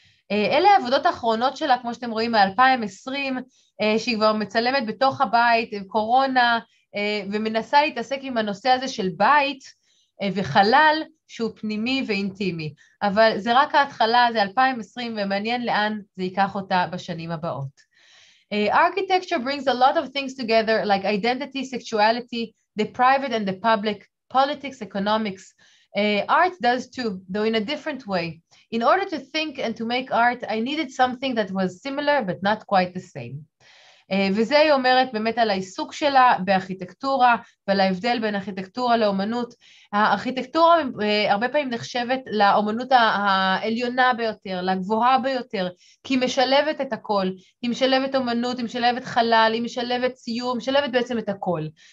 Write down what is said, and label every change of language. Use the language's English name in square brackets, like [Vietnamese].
[Hebrew] אלה העבודות האחרונות שלה, כמו שאתם רואים, מ-2020, שהיא כבר מצלמת בתוך הבית, קורונה, ומנסה להתעסק עם הנושא הזה של בית וחלל, שהוא פנימי ואינטימי. אבל זה רק ההתחלה, זה 2020, ומעניין לאן זה ייקח אותה בשנים הבאות. [English] Architecture brings a lot of things together, like identity, sexuality, the private and the public, politics, economics. Art does too, though in a different way. In order to think and to make art, I needed something that was similar, but not quite the same. [Hebrew] וזה היא אומרת באמת על העיסוק שלה בארכיטקטורה, ועל ההבדל בין ארכיטקטורה לאומנות. הארכיטקטורה הרבה פעמים נחשבת לאומנות העליונה ביותר, לגבוהה ביותר, כי היא משלבת את הכל. היא משלבת אומנות, היא משלבת חלל, היא משלבת ציור, היא משלבת בעצם את הכל.